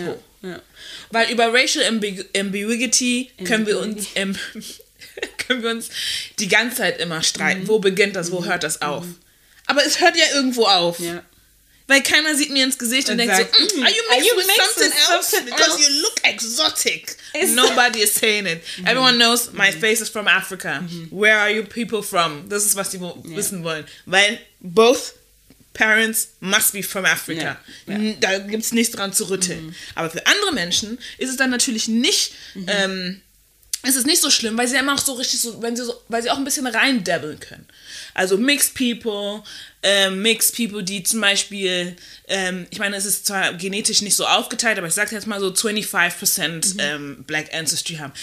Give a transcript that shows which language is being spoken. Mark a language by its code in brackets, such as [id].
[de] Ja, ja. Weil über Racial Ambiguity können wir uns die ganze Zeit immer streiten. Mhm. Wo beginnt das, wo hört das auf? Aber es hört ja irgendwo auf. Ja. Weil keiner sieht mir ins Gesicht und denkt so, [en] are you mixed with something else? Because you look exotic. Nobody is saying it. Everyone knows my face is from Africa. Mm-hmm. Where are you people from? [de] Das ist, was sie wissen wollen. [en] Weil both parents must be from Africa. [de] Yeah. Da gibt es nichts dran zu rütteln. Mm-hmm. Aber für andere Menschen ist es dann natürlich nicht, es ist nicht so schlimm, weil sie immer auch so richtig, weil sie auch ein bisschen reindabbeln können. Also Mixed People, die zum Beispiel, ich meine, es ist zwar genetisch nicht so aufgeteilt, aber ich sage jetzt mal so 25% Black Ancestry haben.